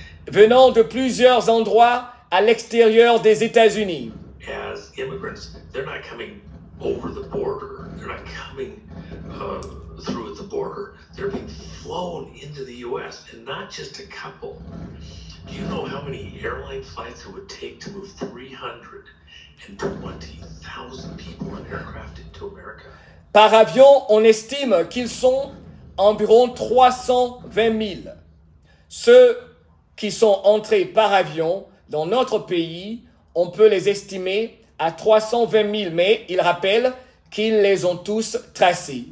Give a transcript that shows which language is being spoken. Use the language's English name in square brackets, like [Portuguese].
[French] Venant de plusieurs endroits à l'extérieur des États-Unis. [English] As immigrants, they're not coming over the border. They're not coming through the border. They're being flown into the U.S. and not just a couple. Do you know how many airline flights it would take to move 320,000 people on aircraft into America? [French] Par avion, on estime qu'ils sont environ 320 000. Ceux qui sont entrés par avion dans notre pays, on peut les estimer à 320 000, mais ils rappellent qu'ils les ont tous tracés.